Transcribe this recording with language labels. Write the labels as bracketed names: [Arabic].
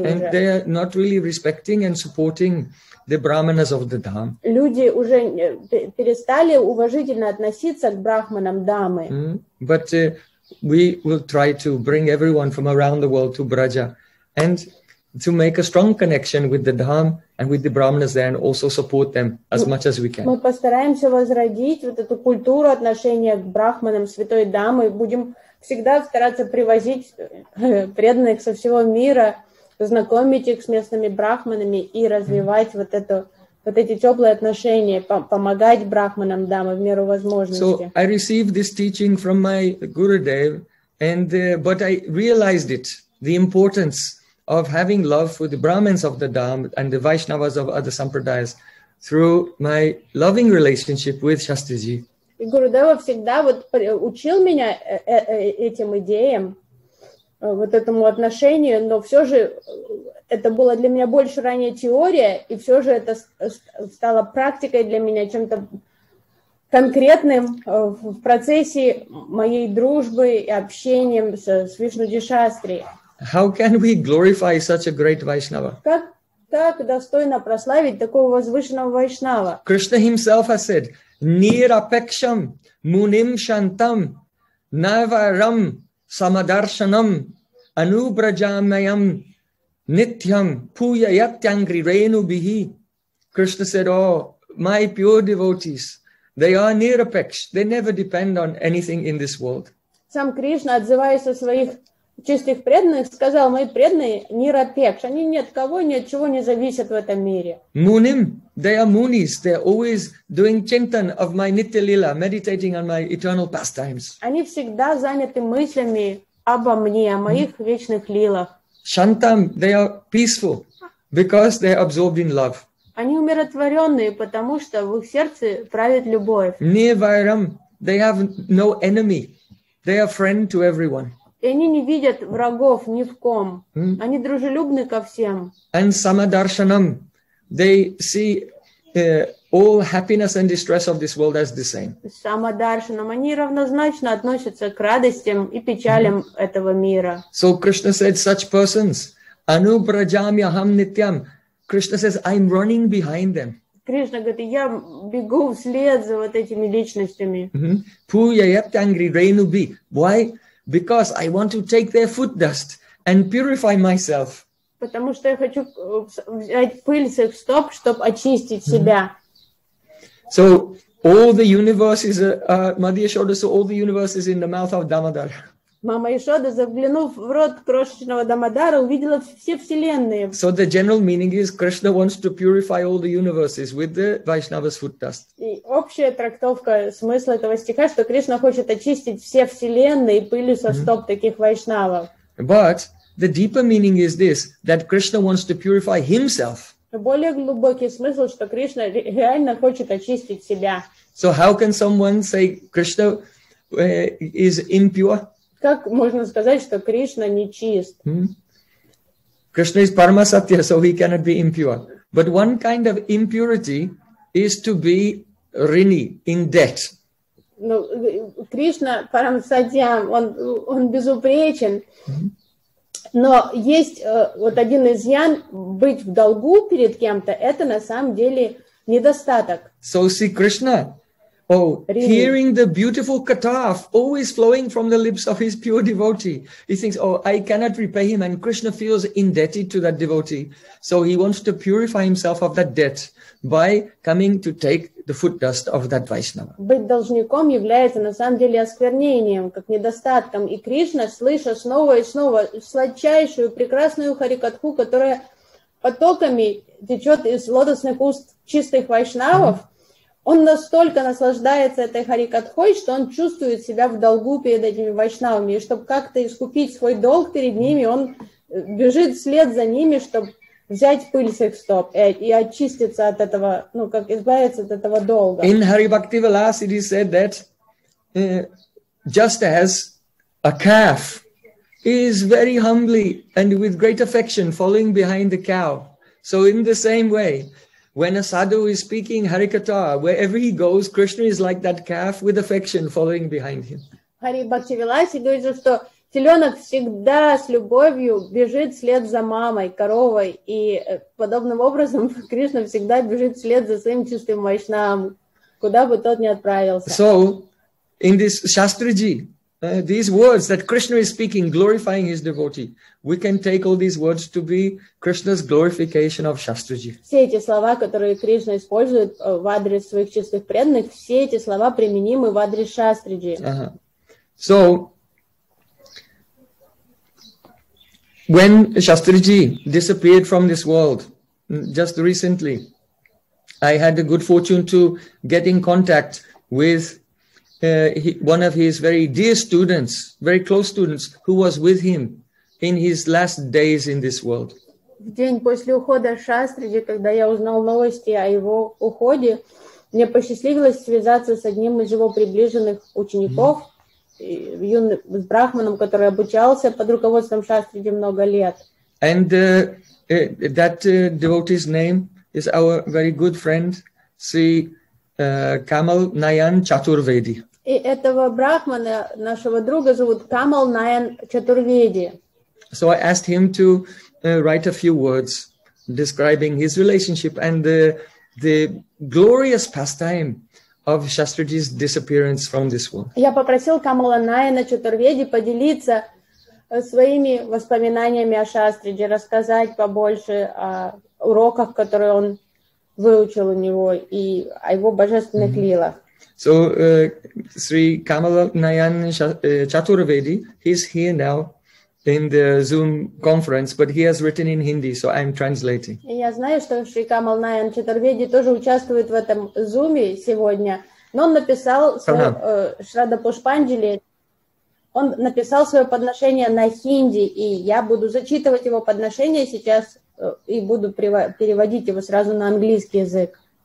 [Russian] уже. [English] And they're not really respecting and supporting the brahmanas of the dham. [Russian] Люди уже перестали уважительно относиться к брахманам дамы. [English] But we will try to bring everyone from around the world to Braja and to make a strong connection with the dham and with the brahmanas there and also support them as much as we can. [Russian] Мы постараемся возродить вот эту культуру отношения к брахманам святой дамы, будем всегда стараться привозить преданных со всего мира, знакомить их с местными брахманами и развивать вот это вот эти теплые отношения, помогать брахманам дамы в меру возможности. [English] So I received this teaching from my Gurudev, and but I realized it, the importance of having love for the Brahmins of the Dham and the Vaishnavas of other sampradayas through my loving relationship with Shastriji. [Russian] И Гурудева всегда вот учил меня этим идеям, вот этому отношению, но все же это было для меня больше ранее теория, и все же это стало практикой для меня, чем-то конкретным в процессе моей дружбы и общением с Вишну Дишастри. [English] How can we glorify such a great Vaishnava? [Russian] Как так достойно прославить такого возвышенного Вайшнава? [Sanskrit] Krishna himself has said, Nirapeksham munim shantam navaram samadarshanam anubrajamayam nityam puyayatyangri renu bihi. [English] Krishna said, oh, my pure devotees, they are nirapeksh. They never depend on anything in this world. [Russian] Сам Кришна, отзываясь о своих чистых преданных, сказал, мои преданные нирапекш, они ни от кого, ни от чего не зависят в этом мире. [English] Муним, they are munis, they are always doing chintan of my nitya lila, meditating on my eternal pastimes. [Russian] Они всегда заняты мыслями обо мне, о моих вечных лилах. Shantam, they are peaceful, because they are absorbed in love. Они умиротворенные, потому что в их сердце правит любовь. Nirvairam, they have no enemy, they are friend to everyone. И они не видят врагов ни в ком. Они дружелюбны ко всем. [English] And samadarshanam, they see all happiness and distress of this world as the same. [Russian] Samadarshanam, они равнозначно относятся к радостям и печалям этого мира. [English] So Krishna said, such persons, [Sanskrit] anubrajamyaham nityam. [English] Krishna says, I'm running behind them. [Russian] Кришна говорит, я бегу вслед за вот этими личностями. [Sanskrit] Puyayatyangri renu bi. [English] Why? Because I want to take their foot dust and purify myself. [Russian] Потому что я хочу взять пыль с их стоп, чтобы очистить себя. [English] So all the universe is Madhya Shoda, so all the universe is in the mouth of Damodar. [Russian] Мама Ишода, заглянув в рот крошечного Дамодара, увидела все вселенные. [English] So the general meaning is Krishna wants to purify all the universes with the Vaishnava's foot dust. [Russian] И общая трактовка смысла этого стиха, что Кришна хочет очистить все вселенные пылью со стоп таких Вайшнавов. [English] But the deeper meaning is this, that Krishna wants to purify himself. [Russian] Более глубокий смысл, что Кришна реально хочет очистить себя. [English] So how can someone say Krishna is impure? [Russian] Как можно сказать, что Кришна нечист? [English] Krishna is Paramasatya, so he cannot be impure. But one kind of impurity is to be rini, in debt. [Russian] Ну, Кришна Парамасатья, он безупречен. Но есть вот один изъян быть в долгу перед кем-то, это на самом деле недостаток. [English] So see Krishna, oh, really? Hearing the beautiful katha always flowing from the lips of his pure devotee, he thinks, oh, I cannot repay him, and Krishna feels indebted to that devotee. So he wants to purify himself of that debt by coming to take the foot dust of that Vaishnava. [Russian] Быть должником является на самом деле осквернением, как недостатком. И Кришна, слыша снова и снова сладчайшую, прекрасную харикатху, которая потоками течет из лотосных уст чистых вайшнавов, он настолько наслаждается этой харикатхой, что он чувствует себя в долгу перед этими вайшнавами. И чтобы как-то искупить свой долг перед ними, он бежит вслед за ними, чтобы взять пыль с их стоп и очиститься от этого, ну, как избавиться от этого долга. [English] In Hari Bhakti Vilas, it is said that just as a calf is very humbly and with great affection following behind the cow, so in the same way, when a sadhu is speaking Harikatha, wherever he goes, Krishna is like that calf with affection following behind him. [Russian] Hari Bhakti Vilas говорит, что теленок всегда с любовью бежит вслед за мамой, коровой, и подобным образом Кришна всегда бежит вслед за своим чистым вайшнавом, куда бы тот ни отправился. [English] So, in this Shastriji, these words that Krishna is speaking, glorifying his devotee, we can take all these words to be Krishna's glorification of Shastriji. [Russian] Все эти слова, которые Кришна использует в адрес своих чистых преданных, все эти слова применимы в адрес Шастриджи. [English] So, when Shastriji disappeared from this world, just recently, I had the good fortune to get in contact with one of his very dear students, very close students, who was with him in his last days in this world. [Russian] В день после ухода Шастриджи, когда я узнал новости о его уходе, мне посчастливилось связаться с одним из его приближенных учеников. Юный брахманом, который обучался под руководством Шастриджи много лет. [English] And that devotee's name is our very good friend, Sri Kamal Nayan Chaturvedi. [Russian] И этого брахмана, нашего друга, зовут Камал Найан Чатурведи. [English] So I asked him to write a few words describing his relationship and the glorious pastime of Shastriji's disappearance from this world. [Russian] Я попросил Камала Найана Чатурведи поделиться своими воспоминаниями о Шастриджи, рассказать побольше о уроках, которые он выучил у него, и о его божественных лилах. [English] So, Sri Kamala Nayan Chaturvedi, he's here now in the Zoom conference, but he has written in Hindi, so I'm translating. [Russian] Я знаю, что Sri Kamala Nayan Chaturvedi тоже участвует в этом Zoom сегодня, но он написал свой Шрада Пушпанджали, он написал свое подношение на хинди, и я буду зачитывать его подношение сейчас и буду переводить его сразу на английский язык.